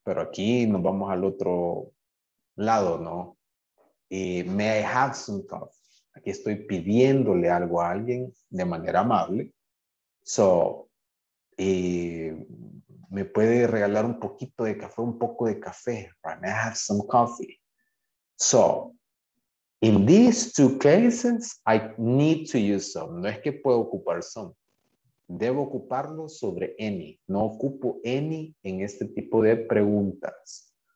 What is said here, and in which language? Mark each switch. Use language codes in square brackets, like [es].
[es] Pero aquí nos vamos al otro lado, ¿no? Y, [en] may I have some coffee? [es] Aquí estoy pidiéndole algo a alguien de manera amable. So, me puede regalar un poquito de café, un poco de café. [en] Right? May I have some coffee? So, in these two cases, I need to use some. [es] No es que puedo ocupar some. Debo ocuparlo sobre any. No ocupo any en este tipo de preguntas.